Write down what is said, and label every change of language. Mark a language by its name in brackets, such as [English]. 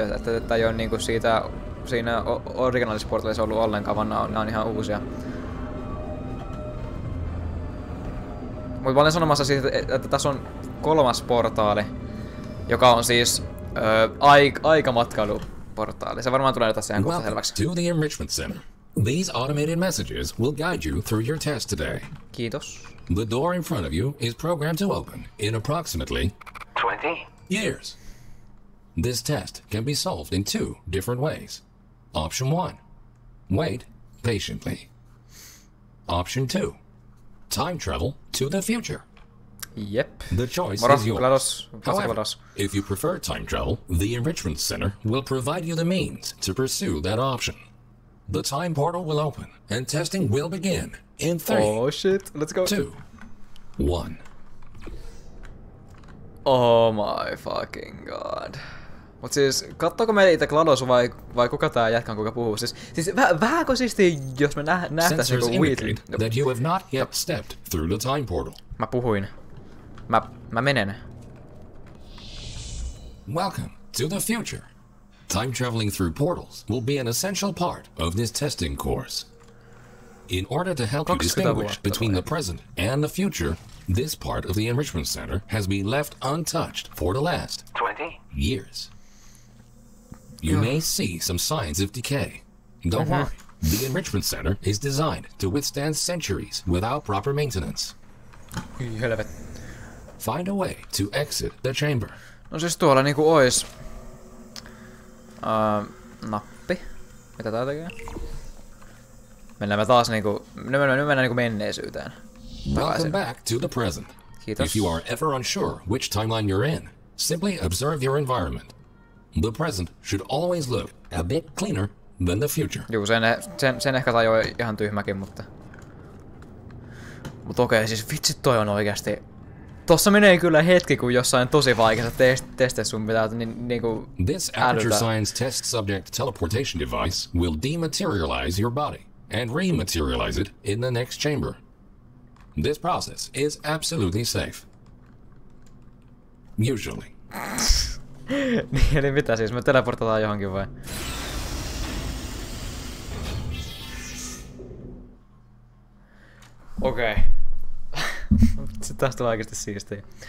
[Finnish] Että tää ei oo niinku siinä originaalisessa portaalissa ollut ollenkaan, vaan nää on ihan uusia. Mut mä olin sanomassa siis, että tässä on kolmas portaali, joka on siis aikamatkailuportaali. Se varmaan tulee tässä ihan kohta selväksi. [English] Welcome to the Enrichment Center. These automated messages will guide you through your test today. [Finnish] Kiitos. [English] The door in front of you is programmed to open in approximately 20 years. This test can be solved in two different ways. Option 1. Wait patiently. Option 2. Time travel to the future. Yep. The choice Moros, is yours. Glados. However, Glados. If you prefer time travel, the Enrichment Center will provide you the means to pursue that option. The time portal will open, and testing will begin in 3, oh, shit. Let's go. 2, 1. Oh my fucking god. [Finnish] Mut siis, kattoako meitä itse Glados vai kuka tää jätkä on, kuka puhuu? Siis vähän kuin siisti, jos me nähtäis joku Wheatley. [English] That you have not yet stepped through the time portal. [Finnish] Mä puhuin. Mä menen. [English] Welcome to the future. Time traveling through portals will be an essential part of this testing course. In order to help you distinguish between the present and the future, this part of the Enrichment Center has been left untouched for the last 20 years. You may see some signs of decay. Don't worry. The Enrichment Center is designed to withstand centuries without proper maintenance. Find a way to exit the chamber. [Finnish] No siis tuolla niinku ois... nappi. Mitä tää tekee? Mennään me taas niinku... Nyt mennään niinku menneisyyteen. [English] Welcome back to the present. [Finnish] Kiitos. [English] If you are ever unsure which timeline you're in, simply observe your environment. The present should always look a bit cleaner than the future. [Finnish] Joo, sen ehkä tajoo ihan tyhmäkin, mutta... Mut okei, siis vitsi toi on oikeesti... Tossa menee kyllä hetki, kun jossain tosi vaikeassa testissä sun pitää niinku [English] this Aperture Science test subject teleportation device will dematerialize your body and rematerialize it in the next chamber. This process is absolutely safe. Usually. [Finnish] Niin, eli mitä siis, me teleportataan johonkin vai? Okei. Okay. Sitten taas tulee oikeesti siistiä.